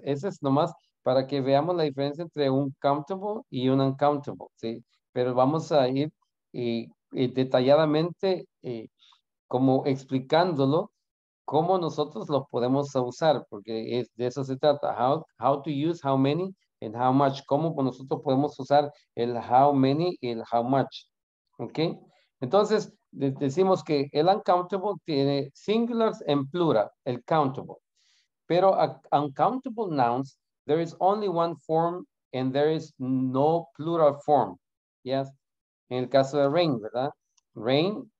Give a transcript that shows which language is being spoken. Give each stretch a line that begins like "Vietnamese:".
Spanish: Ese es nomás para que veamos la diferencia entre un countable y un uncountable, ¿sí? Pero vamos a ir detalladamente como explicándolo cómo nosotros los podemos usar, porque de eso se trata.
English: How to use how many and how much.
Spanish: Cómo nosotros podemos usar el how many y el how much. ¿Ok? Entonces, decimos que el uncountable tiene singulars en plural, el countable.
English: Pero uncountable nouns, there is only one form and there is no plural form. Yes.
Spanish: En el caso de rain, ¿verdad?
English: Rain